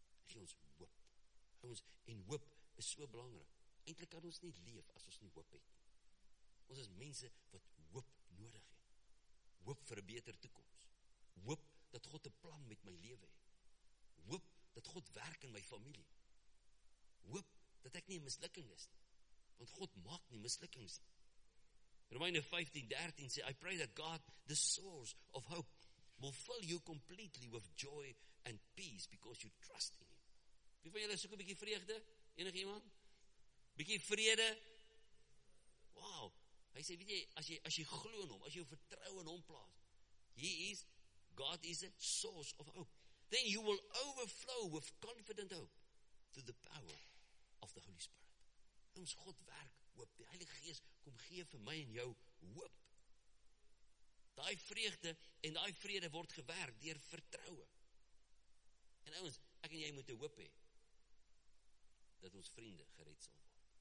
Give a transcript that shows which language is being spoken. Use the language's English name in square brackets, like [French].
[Afrikaans] Gee ons hoop. En hoop is so belangrijk. Eintlik kan ons nie leef as ons nie hoop het. ons is mense wat hoop nodig het. Hoop vir 'n beter toekoms. Hoop dat God 'n plan met my lewe het. Hoop dat God werk in my familie. Hoop dat ek nie 'n mislukking is nie. Want God maak nie mislukkings nie. Romeine 15:13 sê, [English] I pray that God, the source of hope, will fill you completely with joy and peace because you trust in him. [Afrikaans] Wie van julle soek 'n bietjie vreugde? Enig iemand? Bietjie vrede? Wow! Hy sê, weet jy, as jy glo in hom, as jy jou vertroue in hom plaas, [English] God is a source of hope. Then you will overflow with confident hope through the power of the Holy Spirit. [Afrikaans] Ons God werk hoop. Die Heilige Gees kom gee vir my en jou hoop. Daai vreugde en daai vrede word gewerk deur vertroue. En ouens, ek en jy moet 'n hoop hê dat ons vriende gered sal word.